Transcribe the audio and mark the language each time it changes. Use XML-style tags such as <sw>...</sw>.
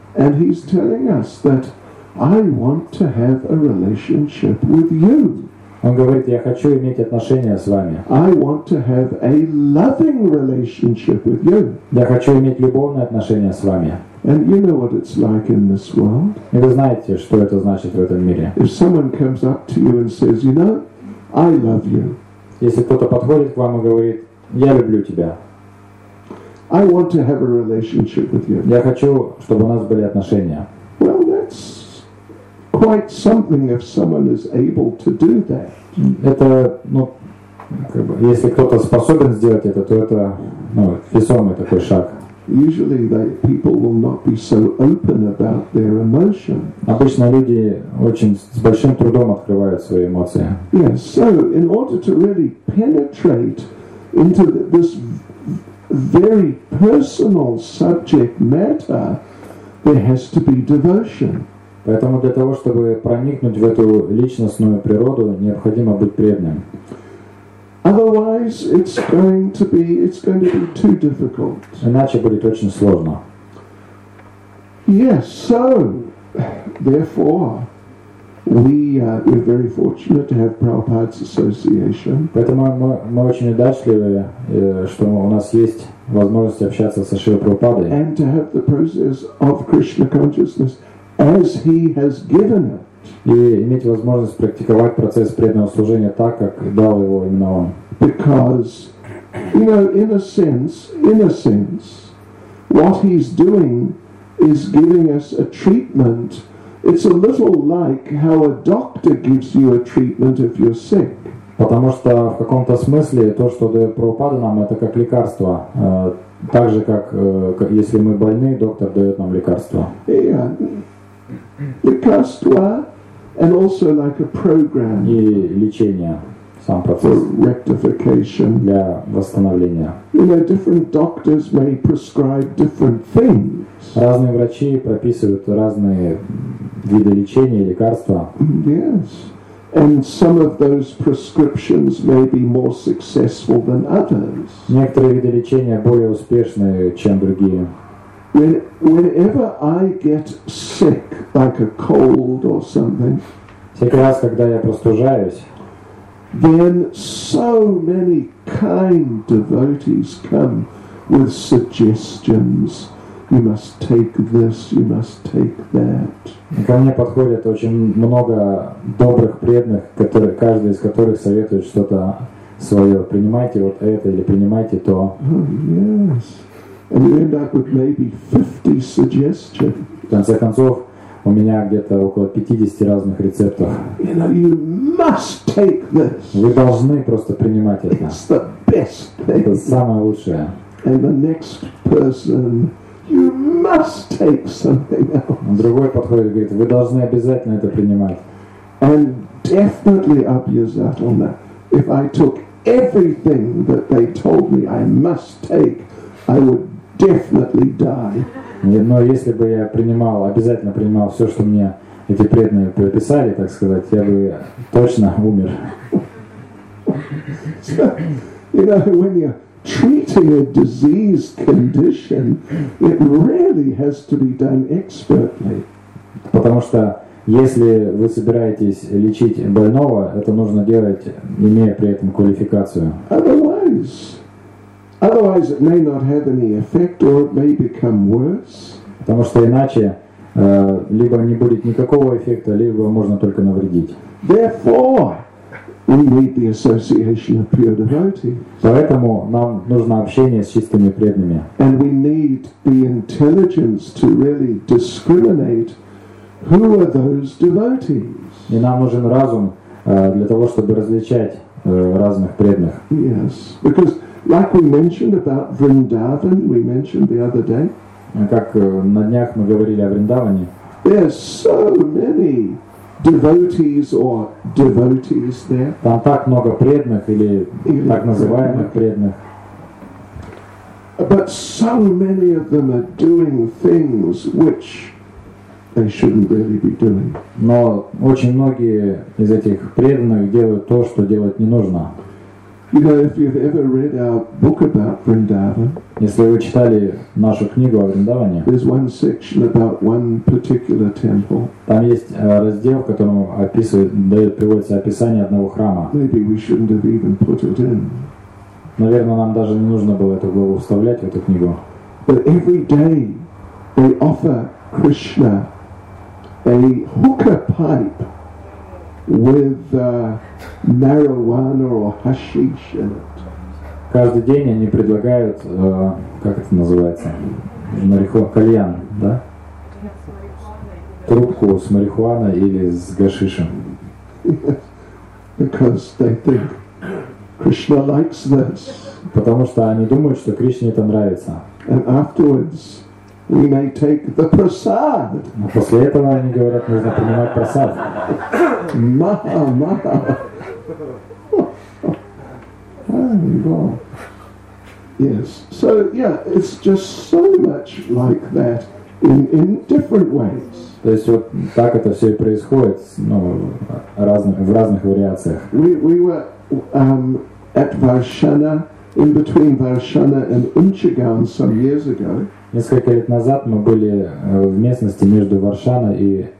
<en>And he's telling us that I want to have a relationship with you.</en> <ru>Он говорит, я хочу иметь отношения с вами.</ru> <en>I want to have a loving relationship with you.</en> <ru>Я хочу иметь любовные отношения с вами.</ru> <en>And you know what it's like in this world.</en> <ru>И вы знаете, что это значит в этом мире.</ru> <en>If someone comes up to you and says, you know, I love you.</en> <ru>Если кто-то подходит к вам и говорит, я люблю тебя.</ru> <en>I want to have a relationship with you.</en> <ru>Я хочу, чтобы у нас были отношения.</ru> <en>Well, that's quite something if someone is able to do that.</en> <ru>Это, ну, как бы, если кто-то способен сделать это, то это, ну, весомый такой шаг.</ru> <en>Usually people will not be so open about their emotions.</en> <ru>Обычно люди очень с большим трудом открывают свои эмоции.</ru> <en>Yes, so in order to really penetrate into this very personal subject matter, there has to be devotion.</en> <ru>Поэтому для того, чтобы проникнуть в эту личностную природу, необходимо быть преданным.</ru> <en>Otherwise, it's going to be too difficult.</en> <ru>Иначе будет очень сложно.</ru> <en>Yes, so therefore, We are very fortunate to have Prabhupada's association.</en> <ru>Поэтому мы очень удачливы, что у нас есть возможность общаться со Шрилой Прабхупадой.</ru> <en>And to have the process of Krishna consciousness as he has given it.</en> <ru>И иметь возможность практиковать процесс преданного служения так, как дал его именно он.</ru> <en>Because, you know, in a sense, what he's doing is giving us a treatment. It's a little like how a doctor gives you a treatment if you're sick.</en> <ru>Потому что в каком-то смысле то, что дает Прабхупада нам, это как лекарство. Так же, как если мы больны, доктор дает нам лекарство. Лекарство,</ru> <en>and also like a program.</en> <ru>И лечение, сам процесс.</ru> <en>For rectification.</en> <ru>Для восстановления.</ru> <en>You know, different doctors may prescribe different things.</en> <ru>Разные врачи прописывают разные виды лечения, лекарства.</ru> <en>Yes. And some of those prescriptions may be more successful than others.</en> <ru>Некоторые виды лечения более успешные, чем другие.</ru> <en>Whenever I get sick, like a cold or something,</en> <ru>всякий раз, когда я простужаюсь,</ru> <en>then so many kind devotees come with suggestions. You must take this, you must take that.</en> <ru>Ко мне подходит очень много добрых преданных, которые, каждый из которых советует что-то свое. Принимайте вот это или принимайте то.</ru> <en>Oh, yes. And you end up with maybe 50 suggestions.</en> <ru>В конце концов, у меня где-то около 50 разных рецептов.</ru> <en>You know, you must take this.</en> <ru>Вы должны просто принимать это.</ru> <en>It's the best thing.</en> <ru>Это самое лучшее.</ru> <en>And the next person, you must take something else.</en> <ru>Другой подходит и говорит, вы должны обязательно это принимать.</ru> <en>And definitely abuse that on that. If I took everything that they told me I must take, I would definitely die.</en> <ru>Но если бы я принимал, обязательно принимал все, что мне эти преданные прописали, так сказать, я бы точно умер.</ru> <en>So, you know, when you're treating a disease condition, it really has to be done expertly.</en> <ru>Потому что если вы собираетесь лечить больного, это нужно делать, имея при этом квалификацию.</ru> <en>Otherwise, it may not have any effect, or it may become worse.</en> <ru>Потому что иначе либо не будет никакого эффекта, либо можно только навредить.</ru> <en>Therefore, we need the association of pure devotees.</en> <ru>Поэтому нам нужно общение с чистыми преданными.</ru> <en>And we need the intelligence to really discriminate who are those devotees.</en> <ru>И нам нужен разум для того, чтобы различать разных преданных.</ru> <en>Yes, because like we mentioned about Vrindavan, we mentioned the other day.</en> <ru>Как на днях мы говорили о Вриндаване.</ru> <en>There's so many devotees or devotees there.</en> <ru>Там так много преданных или так называемых преданных.</ru> <en>But so many of them are doing things which they shouldn't really be doing.</en> <ru>Но очень многие из этих преданных делают то, что делать не нужно.</ru> <en>You know, if you've ever read our book about Vrindavan,</en> <ru>если вы читали нашу книгу о Вриндаване,</ru> <en>there's one section about one particular temple.</en> <ru>Там есть раздел, в котором приводится описание одного храма.</ru> <en>Maybe we shouldn't have even put it in.</en> <ru>Наверное, нам даже не нужно было эту главу вставлять в эту книгу.</ru> <en>But every day they offer Krishna a hookah pipe with marijuana or hashish in it.</en> <ru>Каждый день они предлагают, как это называется, кальян, да? Трубку с марихуаной или с гашишем.</ru> <en>Because they think Krishna likes this.</en> <ru>Потому что они думают, что Кришне это нравится.</ru> <en>And afterwards we may take the prasad.</en> <ru>После этого они говорят, нужно принимать прасад. Маха, маха. Ай, Бог.</ru> <en>Yes. So, yeah, it's just so much like that in different ways.</en> <ru>То есть вот так это все и происходит, ну, в разных вариациях.</ru> <en>We were at Varshana, in between Varshana and Unchigaon some years ago.</en> <ru>Несколько лет назад мы были в местности между Варшаной и</ru>